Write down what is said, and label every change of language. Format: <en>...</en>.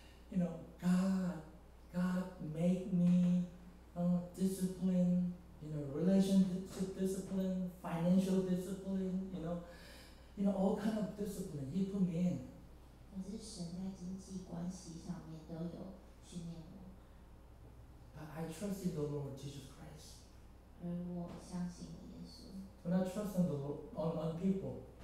<en>You know, God made me, discipline. You know, relationship discipline, financial discipline. You know, all kind of discipline He put me in.</en> <zh>可是神在经济关系上面都有训练我。</zh> <en>But I trusted the Lord Jesus Christ.</en> <zh>而我相信耶稣。</zh> <en>We're not trusting the Lord on people.</en>